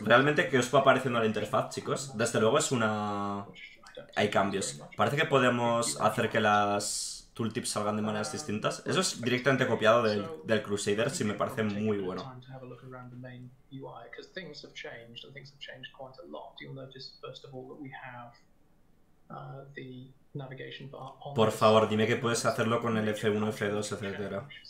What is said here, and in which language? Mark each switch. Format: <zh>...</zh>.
<es>Realmente, ¿qué os va apareciendo la interfaz, chicos? Desde luego es una... Hay cambios. Parece que podemos hacer que las tooltips salgan de maneras distintas. Eso es directamente copiado del Crusader, si me parece muy bueno.</es> <en>UI, because things have changed, and things have changed quite a lot. You'll notice, first of all, that we have the navigation bar.</en> <es>Por favor, dime que puedes hacerlo con el F1, F2, etcétera.</es>